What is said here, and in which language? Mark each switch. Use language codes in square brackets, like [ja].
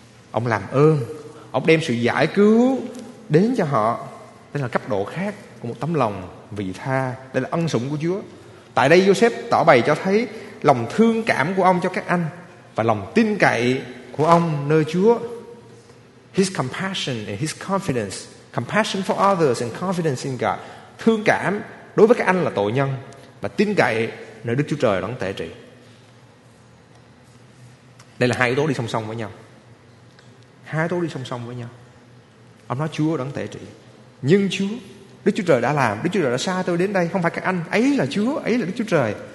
[vi] Ông làm ơn, ông đem sự giải cứu đến cho họ. Đây là cấp độ khác của một tấm lòng vị tha. Đây là ân sủng của Chúa. Tại đây Joseph tỏ bày cho thấy lòng thương cảm của ông cho các anh và lòng tin cậy của ông nơi Chúa. [en] His compassion and his confidence, compassion for others and confidence in God. [vi] thương cảm đối với các anh là tội nhân và tin cậy nơi Đức Chúa Trời đấng tể trị. Đây là hai yếu tố đi song song với nhau. Hai yếu tố đi song song với nhau. Ông nói Chúa đấng tể trị, nhưng Chúa, Đức Chúa Trời đã làm, Đức Chúa Trời đã sai tôi đến đây, không phải các anh, ấy là Chúa, ấy là Đức Chúa Trời.